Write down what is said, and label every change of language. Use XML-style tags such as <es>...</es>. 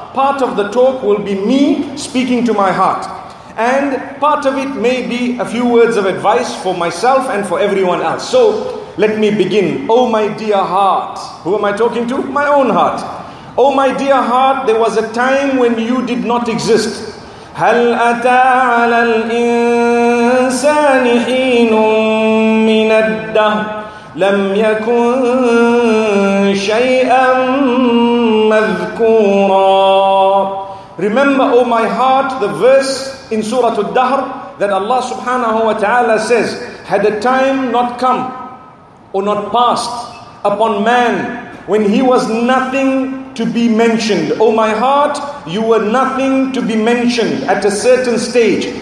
<en>Part of the talk will be me speaking to my heart, and part of it may be a few words of advice for myself and for everyone else. So let me begin. Oh my dear heart, who am I talking to? My own heart. Oh my dear heart, there was a time when you did not exist.</en> <ar>هل أتى على الإنسان حين من الدهر لم يكن شيئا مذكورا.</ar> <en>Remember, O my heart, the verse in Surah Al-Dahr that Allah subhanahu wa ta'ala says, had a time not come or not passed upon man when he was nothing to be mentioned. O my heart, you were nothing to be mentioned at a certain stage.</en>